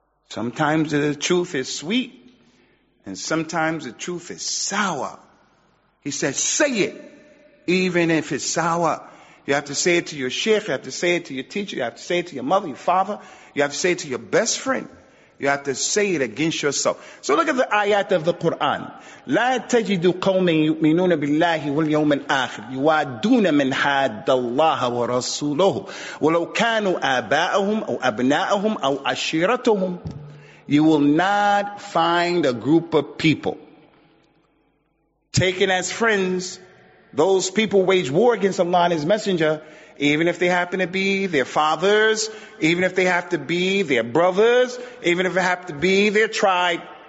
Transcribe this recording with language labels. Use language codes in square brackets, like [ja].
[en] Sometimes the truth is sweet, and sometimes the truth is sour. He said, say it, even if it's sour. You have to say it to your sheikh, you have to say it to your teacher, you have to say it to your mother, your father, you have to say it to your best friend. You have to say it against yourself. So look at the ayat of the Quran. [ar] لا تجد قوم يؤمنون بالله واليوم الآخر يوادون من حاد الله ورسوله ولو كانوا آباءهم أو أبناءهم أو عشيرتهم. [en] You will not find a group of people taken as friends. Those people wage war against Allah and His Messenger, even if they happen to be their fathers, even if they have to be their brothers, even if it happens to be their tribe.